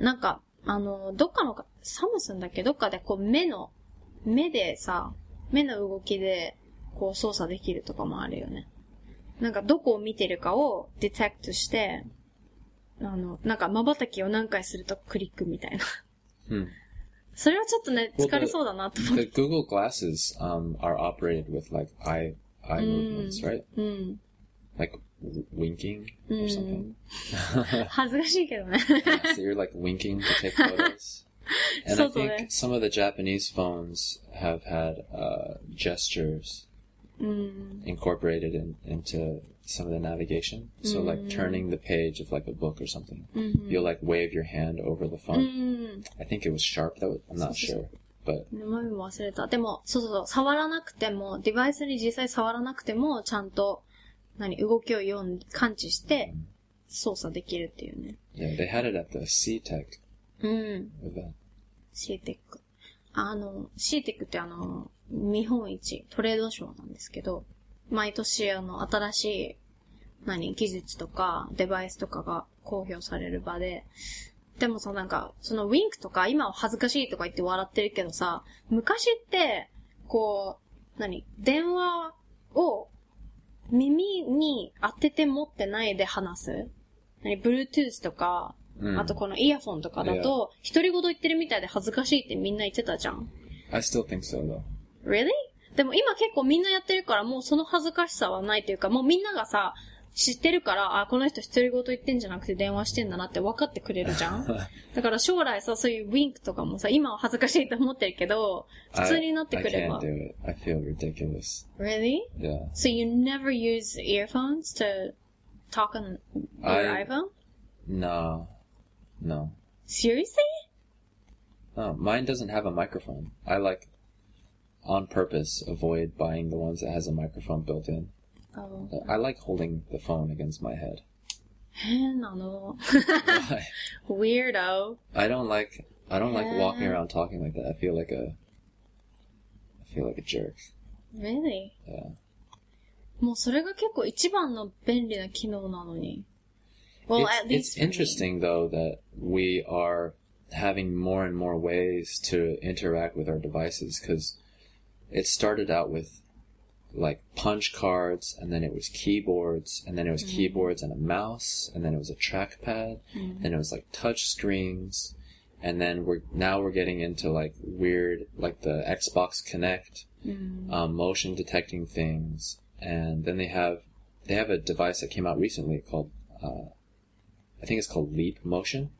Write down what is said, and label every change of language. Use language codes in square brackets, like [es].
[ja] なんか、どっかの、サムスンだっけ？どっかでこう目でさ、目の動きでこう操作できるとかもあるよね。なんかどこを見てるかをディテクトして、なんか瞬きを何回するとクリックみたいな。それはちょっとね、疲れそうだなと思って。 [en] The Google Glasses, are operated with like eye movements, right? Like winking or something. [ja] 恥ずかしいけどね。 [en] So you're like winking to take photos. And I think some of the Japanese phones have had, gestures incorporated into some of the navigation. So like turning the page of like a book or something. Mm-hmm. You'll like wave your hand over the phone. Mm-hmm. I think it was Sharp that was, I'm not sure. But. [ja] 名前も忘れた。でも、そうそうそう。触らなくても、デバイスに実際触らなくても、ちゃんと、何、動きを読ん、感知して、操作できるっていうね。 [en] Yeah, they had it at the C-Tech event. C-Tech. [ja] C-Tech って日本一トレードショーなんですけど、毎年新しい何技術とかデバイスとかが公表される場で、でもさなんかそのウィンクとか今は恥ずかしいとか言って笑ってるけどさ、昔ってこう何電話を耳に当てて持ってないで話す、何 Bluetooth とか、あとこのイヤフォンとかだと独り言言ってるみたいで恥ずかしいってみんな言ってたじゃん。 [en] I still think so though. Really? [ja] でも今結構みんなやってるからもうその恥ずかしさはないというかもうみんながさ知ってるからあこの人独り言言ってんじゃなくて電話してんだなって分かってくれるじゃん。だから将来さそういうウィンクとかもさ今は恥ずかしいと思ってるけど普通になってくれば。 [en] I can't do it. I feel ridiculous. Really? Yeah. So you never use earphones to talk on your iPhone? No. No. Seriously? No. Mine doesn't have a microphone. I like... on purpose, avoid buying the ones that has a microphone built in. Oh. I like holding the phone against my head. Weirdo. I don't like walking around talking like that. I feel like a jerk. Really? Yeah. [ja] もうそれが結構一番の便利な機能なのに。 [en] Well, at least it's interesting though that we are having more and more ways to interact with our devices because... It started out with, like, punch cards, and then it was keyboards, and then it was keyboards and a mouse, and then it was a trackpad, and it was, like, touch screens, and then now we're getting into, like, weird, like, the Xbox Kinect, motion detecting things, and then they have a device that came out recently called, I think it's called Leap Motion.